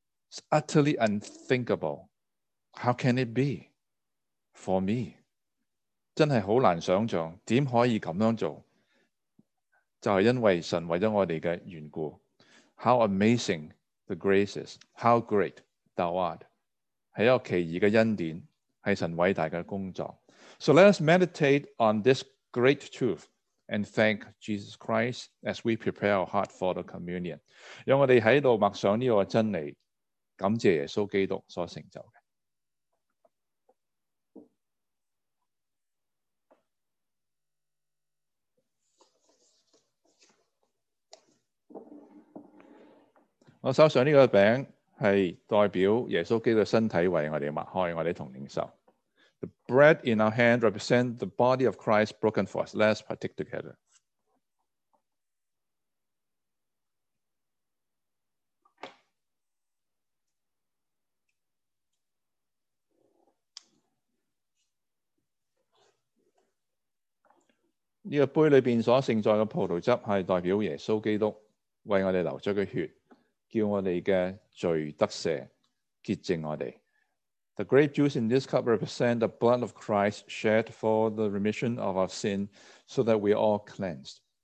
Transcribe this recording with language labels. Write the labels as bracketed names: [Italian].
[English] It's utterly unthinkable. How can it be for me? [Chinese] 真是很难想象，怎可以这样做？就是因为神为了我们的缘故。 [English] How amazing the grace is. How great thou art. [Chinese] 是一个奇异的恩典，是神伟大的工作。 [English] So let us meditate on this great truth and thank Jesus Christ as we prepare our heart for the communion. [Chinese] 让我们在这里默想这个真理，感谢耶稣基督所成就的。我手上这个饼是代表耶稣基督身体为我们擘开，我们同领受。 [English] The bread in our hand represents the body of Christ broken for us. Let us partake together. This cup [Chinese] 里面所盛载的葡萄汁是代表耶稣基督为我们流出的血，叫我们的罪得赦，洁净我们。 [English] The grape juice in this cup represents the blood of Christ shed for the remission of our sin so that we are all cleansed.